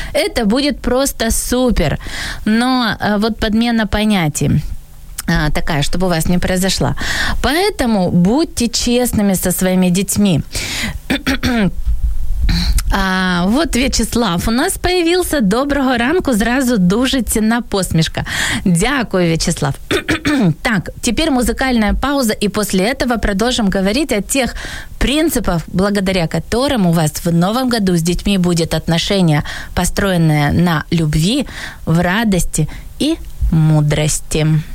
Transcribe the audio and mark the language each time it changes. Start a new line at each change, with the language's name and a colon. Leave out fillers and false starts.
Russian: Это будет просто супер. Но вот подмена понятий такая, чтобы у вас не произошла. Поэтому будьте честными со своими детьми. Вот Вячеслав у нас появился.
Ukrainian: Доброго ранку, зразу дуже цінна посмішка. Дякую, Вячеслав.
Russian: Так, теперь музыкальная пауза, и после этого продолжим говорить о тех принципах, благодаря которым у вас в новом году с детьми будет отношение, построенное на любви, в радости и мудрости.